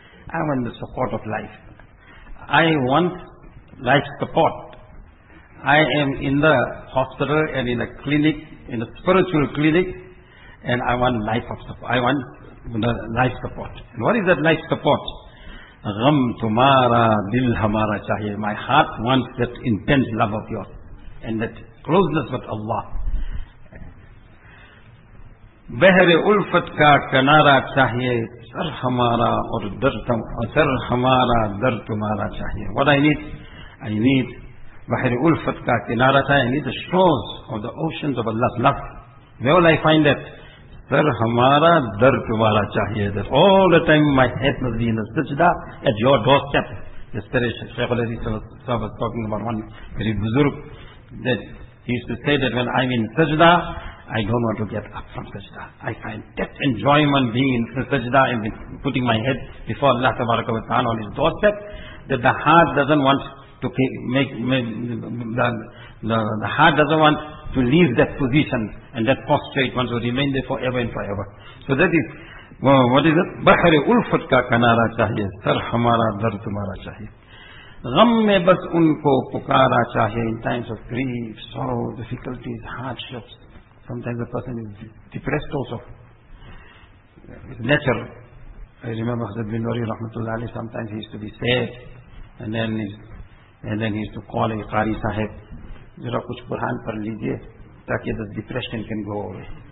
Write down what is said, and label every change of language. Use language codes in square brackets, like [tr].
[en] I want the support of life. I want life support. I am in the hospital and in a clinic, in a spiritual clinic, and I want life of support. I want the life support. And what is that life support? [ur] غم تمہارا دل ہمارا چاہیے. [en] My heart wants that intense love of yours and that closeness with Allah. [ur] بحر الفت کا کنارا چاہیے, سر ہمارا اور سر ہمارا در تمہارا چاہیے. [en] What I need [ur] بحر الفت کا کنارا چاہیے. [en] I need the shores of the oceans of Allah's love. Where will I find that? [ur] سر ہمارا در تمہارا چاہیے. [en] That all the time my head must be in the sajda at your doorstep. Yesterday Shaykh al-Hadith was talking about one very buzurg that he used to say that when I'm in sajda, I don't want to get up from sajda. I find that enjoyment being in sajda and putting my head before Allah tabaraka wa ta'ala on his doorstep, that the heart doesn't want to leave that position and that prostrate one to remain there forever and forever. So that is, well, what is it? [ur] بحر الفت کا کنارہ چاہیے, سر ہمارا در تمہارا چاہیے. غم میں بس ان کو پکارا چاہیے. [en] In times of grief, sorrow, difficulties, hardships, sometimes a person is depressed also. It's natural. I remember Hazrat bin Nuri rahmatullahi alayhi, sometimes he used to be sad and then he used to call a qari sahib, [ur] ذرا کچھ قرآن پڑھ لیجئے تاکہ [en] This depression can go away.